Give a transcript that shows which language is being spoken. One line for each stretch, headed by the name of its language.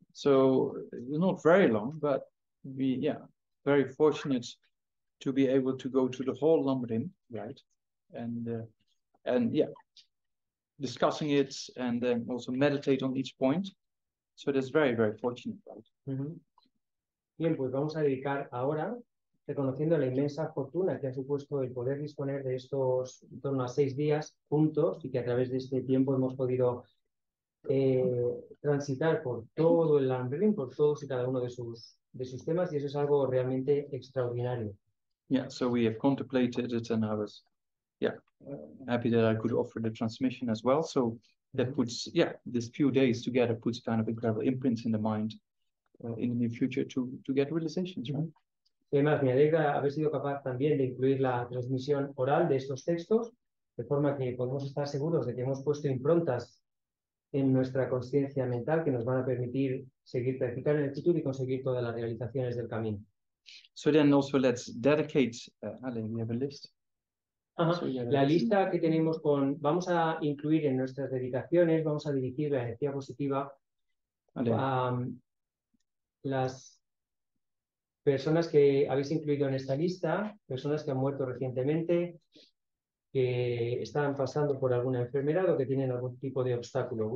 English: So not very long, but we, yeah, very fortunate to be able to go to the whole Lamrim, right? And yeah, discussing it and then also meditate on each point. So that's very, very fortunate, right? Mm-hmm.
Spanish: Bien, pues vamos a dedicar ahora, reconociendo la inmensa fortuna que ha supuesto el poder disponer de estos en torno a 6 días juntos y que a través de este tiempo hemos podido transitar por todo el Lamrim, por todos y cada uno de sus temas, y eso es algo realmente extraordinario.
English: Yeah, so we have contemplated it and I was, yeah, happy that I could offer the transmission as well. So that puts, yeah, this few days together puts kind of incredible imprints in the mind in the future to get realizations, right? Mm-hmm.
Spanish: Además, me alegra haber sido capaz también de incluir la transmisión oral de estos textos, de forma que podemos estar seguros de que hemos puesto improntas en nuestra consciencia mental que nos van a permitir seguir practicando en el futuro y conseguir todas las realizaciones del camino.
English: So then also let's dedicate, Alan, we have a list. Uh-huh.
Spanish: So la lista que tenemos con, vamos a incluir en nuestras dedicaciones, vamos a dirigir la energía positiva a las personas que habéis incluido en esta lista, personas que han muerto recientemente, que están pasando por alguna enfermedad o que tienen algún tipo de obstáculo.